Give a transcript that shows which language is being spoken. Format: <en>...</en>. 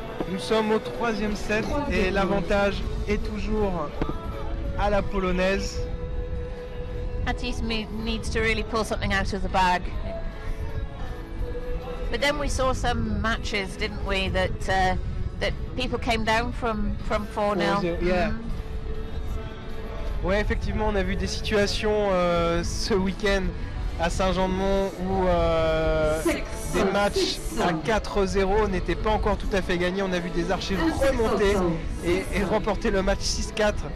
<fr>Nous sommes au troisième set et l'avantage est toujours à la polonaise.</fr> <en>Atis needs to really pull something out of the bag. But then we saw some matches, didn't we, that people came down from 4-0. Yeah.</en> <fr>Ouais, effectivement, on a vu des situations ce week-end à Saint Jean de Monts où des matchs à 4-0 n'étaient pas encore tout à fait gagnés. On a vu des archers remonter et remporter le match 6-4.</fr>